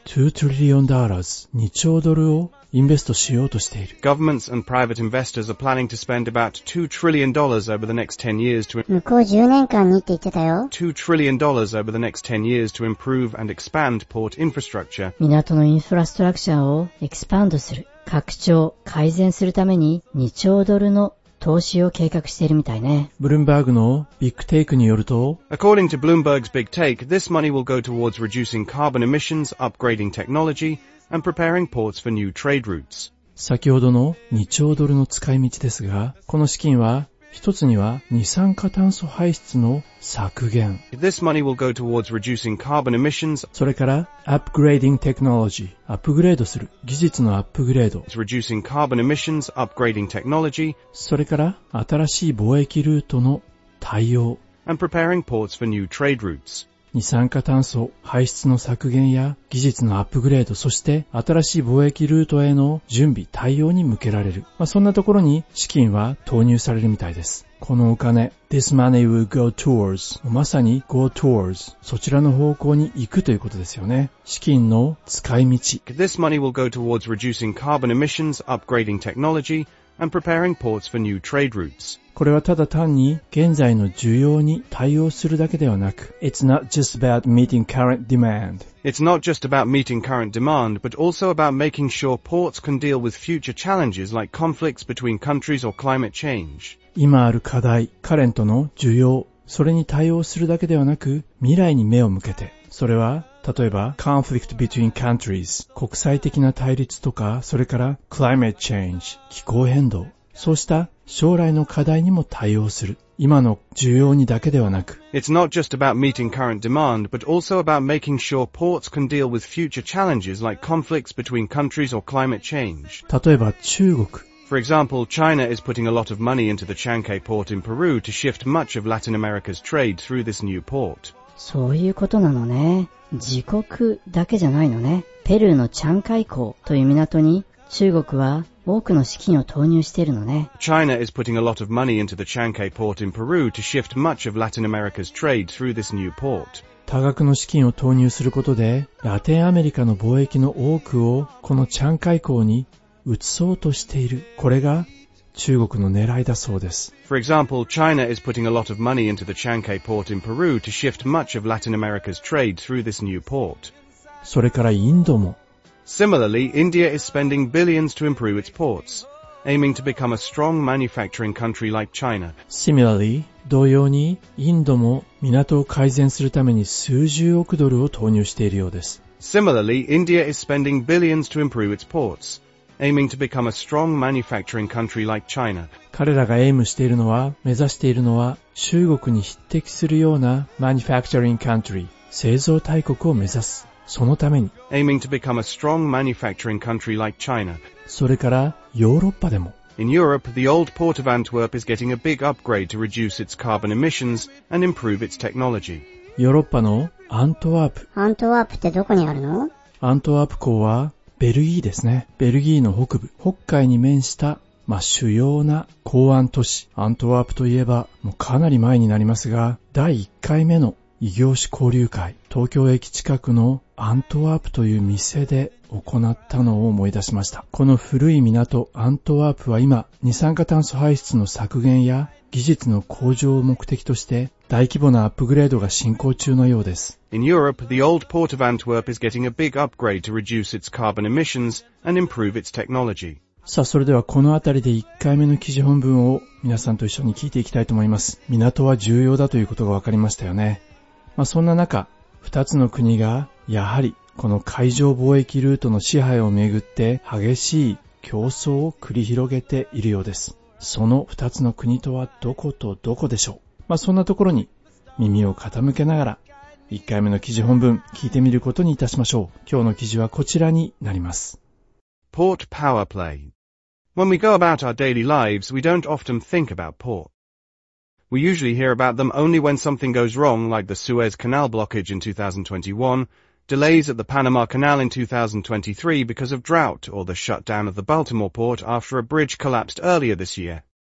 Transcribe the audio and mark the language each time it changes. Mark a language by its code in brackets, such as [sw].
[ja] $2 trillion、2兆ドルをインベストしようとしている。 [en] Governments and private investors are planning to spend about $2 trillion over the next 10 years to... [ja] 向こう10年間にって言ってたよ。 [en] $2 trillion over the next 10 years to improve and expand port infrastructure. [ja] 港のインフラストラクチャーをエクスパンドする。拡張、改善するために2兆ドルの投資を計画しているみたいね。ブルームバーグのビッグテイクによると、 [en] According to Bloomberg's Big Take, this money will go towards reducing carbon emissions, upgrading technology, and preparing ports for new trade routes. [ja] 先ほどの2兆ドルの使い道ですが、この資金は一つには二酸化炭素排出の削減。 [en] This money will go towards reducing carbon emissions. [ja] それから [en] upgrading technology。 [ja] アップグレードする。技術のアップグレード。 [en] Reducing carbon emissions, upgrading technology. [ja] それから新しい貿易ルートの対応。 [en] And preparing ports for new trade routes. [ja] 二酸化炭素排出の削減や技術のアップグレード、そして新しい貿易ルートへの準備、対応に向けられる。まあ、そんなところに資金は投入されるみたいです。このお金、 [en] This money will go towards、 [ja] まさに [en] go towards、 [ja] そちらの方向に行くということですよね。資金の使い道。 [en] This money will go towards reducing carbon emissions, upgrading technology, and preparing ports for new trade routes. [ja] これはただ単に現在の需要に対応するだけではなく、 [en] It's not just about meeting current demand. It's not just about meeting current demand, but also about making sure ports can deal with future challenges like conflicts between countries or climate change. [ja] 今ある課題、カレントの需要、それに対応するだけではなく、未来に目を向けて、それは例えば [en] conflict between countries、 [ja] 国際的な対立とか、それから [en] climate change、 [ja] 気候変動、そうした将来の課題にも対応する。今の需要にだけではなく、 [en] It's not just about meeting current demand, but also about making sure ports can deal with future challenges like conflicts between countries or climate change. [ja] 例えば中国。 [en] For example, China is putting a lot of money into the Chanque port in Peru to shift much of Latin America's trade through this new port. [ja] そういうことなのね。自国だけじゃないのね。ペルーのチャンカイ港という港に中国は多くの資金を投入しているのね。 [en] China is putting a lot of money into the Chanque port in Peru to shift much of Latin America's trade through this new port. [ja] 多額の資金を投入することで、ラテンアメリカの貿易の多くをこのチャンカイ港に移そうとしている。これが中国の狙いだそうです。 [en] For example, China is putting a lot of money into the Chanque port in Peru to shift much of Latin America's trade through this new port. [ja] それからインドも。 [en] Similarly, India is spending billions to improve its ports, aiming to become a strong manufacturing country like China. Similarly, [ja] 同様にインドも港を改善するために数十億ドルを投入しているようです。 [en] Similarly, India is spending billions to improve its ports, aiming to become a strong manufacturing country like China. [ja] 彼らがエイムしているのは、目指しているのは、中国に匹敵するような [en] manufacturing country、 [ja] 製造大国を目指す。そのために [en] aiming to become a strong manufacturing country like China. [ja] それからヨーロッパでも [en] In Europe, the old port of Antwerp is getting a big upgrade to reduce its carbon emissions and improve its technology. [ja] ヨーロッパのアントワープ。アントワープってどこにあるの？アントワープ港はベルギーですね。ベルギーの北部、北海に面した、まあ、主要な港湾都市。アントワープといえば、もうかなり前になりますが、第1回目の異業種交流会、東京駅近くのアントワープという店で行ったのを思い出しました。この古い港、アントワープは今、二酸化炭素排出の削減や技術の向上を目的として、大規模なアップグレードが進行中のようです。 [en] In Europe, the old port of Antwerp is getting a big upgrade to reduce its carbon emissions and improve its technology. [ja] さあ、それではこのあたりで1回目の記事本文を皆さんと一緒に聞いていきたいと思います。港は重要だということが分かりましたよね。まあ、そんな中、2つの国がやはりこの海上貿易ルートの支配をめぐって激しい競争を繰り広げているようです。その2つの国とはどことどこでしょう。まあ、そんなところに耳を傾けながら1回目の記事本文聞いてみることにいたしましょう。今日の記事はこちらになります。 [en] Port Power Play. When we go about our daily lives, we don't often think about ports. We usually hear about them only when something goes wrong, like the Suez Canal blockage in 2021, delays at the Panama Canal in 2023 because of drought, or the shutdown of the Baltimore port after a bridge collapsed earlier this year.